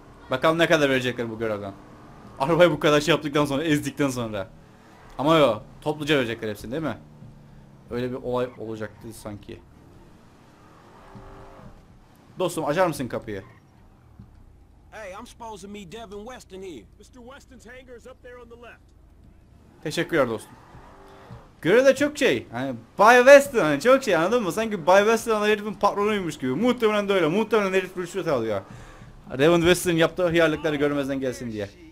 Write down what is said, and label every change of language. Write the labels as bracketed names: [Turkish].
[Turkish] Bakalım ne kadar verecekler bu görevden. Arabayı bu kadar şey yaptıktan sonra, ezdikten sonra. Ama yok, topluca verecekler hepsini değil mi? Öyle bir olay olacaktı sanki. Dostum açar mısın kapıyı? [English] Hey, I'm supposed to meet Devin Weston here. Mr. Weston's hangar is up there on the left. [Turkish] Teşekkürler dostum. Göre de çok şey, hani Bay Weston, hani çok şey, anladın mı? Sanki Bay Weston ana herifin patronuymuş gibi. Muhtemelen de öyle, muhtemelen herif rüşvet alıyor. Devin Weston yaptığı hıyarlıkları görmezden gelsin diye.